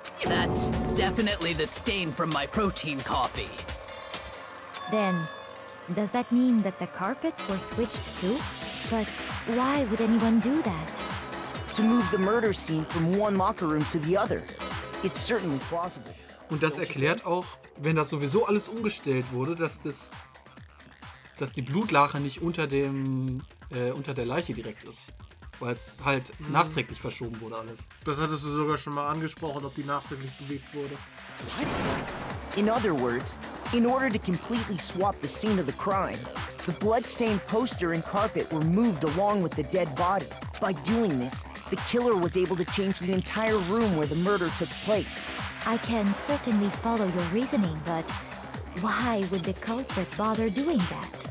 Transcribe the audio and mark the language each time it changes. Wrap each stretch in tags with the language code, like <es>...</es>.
<en>That's definitely the stain from my protein coffee. Then, does that mean that the carpets were switched too? But why would anyone do that? To move the murder scene from one locker room to the other. It's certainly plausible.</en> <de>Und das erklärt auch, wenn das sowieso alles umgestellt wurde, dass die Blutlache nicht unter der Leiche direkt ist. Weil es halt nachträglich verschoben wurde alles. Das hattest du sogar schon mal angesprochen, ob die nachträglich bewegt wurde.</de> <en>What? In other words, in order to completely swap the scene of the crime, the bloodstained poster and carpet were moved along with the dead body. By doing this, the killer was able to change the entire room where the murder took place. I can certainly follow your reasoning, but why would the culprit bother doing that?</en>